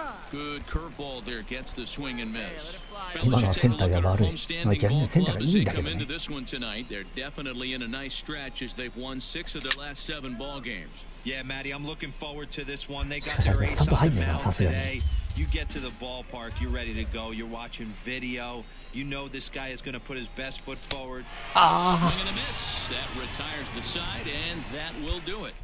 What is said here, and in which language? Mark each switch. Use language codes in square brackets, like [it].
[en] Good curveball there gets the swing and miss. [ja] 今のはセンターが悪い。まあ逆にセンターがいいんだけどね。 [en] They're definitely in a nice stretch as they've won six of their last seven ball games. Yeah, Matty, I'm looking forward to this one. They got their ace on the mound today. You get to the ballpark, you're ready to go. You're watching video. You know this guy is going to put his best foot forward. Ah! Swing and a miss. That retires the side, and that will do it.